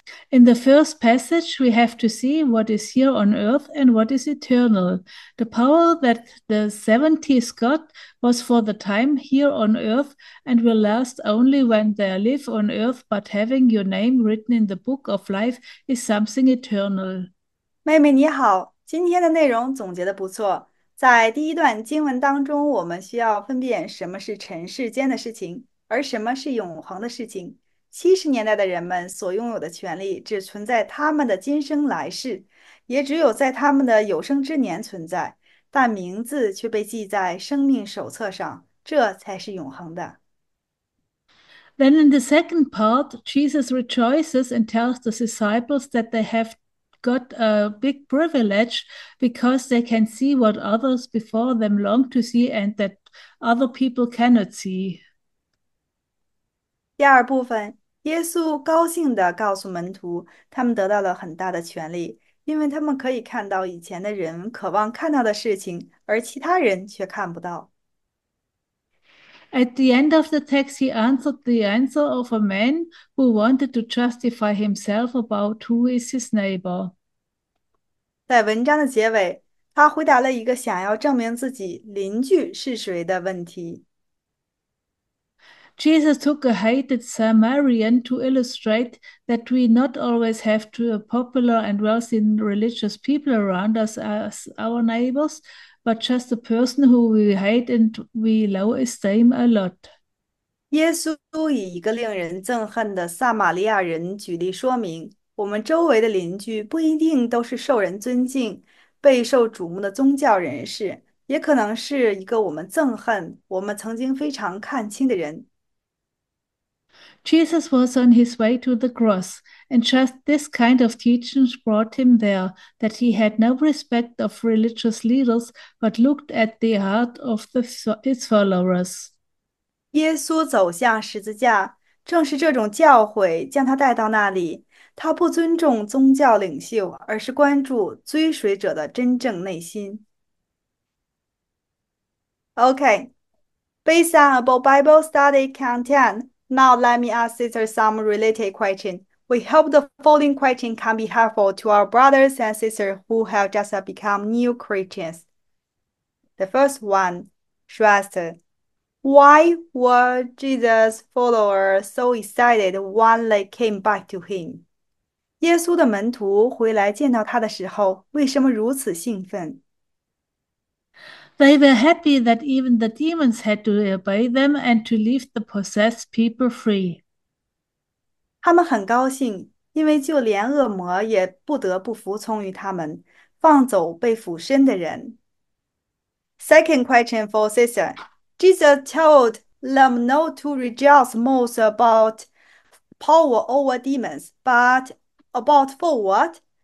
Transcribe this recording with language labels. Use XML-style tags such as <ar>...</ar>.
<en>In the first passage, we have to see what is here on earth and what is eternal. The power that the 70s got was for the time here on earth and will last only when they live on earth, but having your name written in the book of life is something eternal.</en> <zh>妹妹你好，今天的内容总结得不错。在第一段经文当中，我们需要分辨什么是尘世间的事情，而什么是永恒的事情。 70年代的人们所拥有的权利，只存在他们的今生来世，也只有在他们的有生之年存在，但名字却被记在生命手册上，这才是永恒的。</zh> <en>Then in the second part, Jesus rejoices and tells the disciples that they have got a big privilege because they can see what others before them long to see and that other people cannot see.</en> <zh>第二部分，耶稣高兴地告诉门徒，他们得到了很大的权利，因为他们可以看到以前的人渴望看到的事情，而其他人却看不到。</zh> <en>At the end of the text, he answered the answer of a man who wanted to justify himself about who is his neighbor.</en> <zh>在文章的结尾，他回答了一个想要证明自己邻居是谁的问题。</zh> <en>Jesus took a hated Samaritan to illustrate that we not always have to be popular and wealthy religious people around us as our neighbors. But just the person who we hate and we low esteem a lot.</en> <zh>耶稣以一个令人憎恨的撒玛利亚人举例说明，我们周围的邻居不一定都是受人尊敬、备受瞩目的宗教人士，也可能是一个我们憎恨、我们曾经非常看清的人。</zh> <en>Jesus was on his way to the cross, and just this kind of teaching brought him there, that he had no respect of religious leaders, but looked at the heart of his followers.</en> <zh>耶稣走向十字架，正是这种教诲将他带到那里。他不尊重宗教领袖，而是关注追随者的真正内心。</zh> <en>OK，based on about Bible study content, now let me ask sister some related question. We hope the following question can be helpful to our brothers and sisters who have just become new Christians. The first one, Shrestha. Why were Jesus' followers so excited when they came back to him?</en> <zh>耶稣的门徒回来见到他的时候，为什么如此兴奋？</zh> <en>They were happy that even the demons had to obey them and to leave the possessed people free.</en> <zh>他们很高兴，因为就连恶魔也不得不服从于他们，放走被附身的人。</zh> <en>Second question for sister. Jesus told them not to rejoice most about power over demons, but about for what?</en>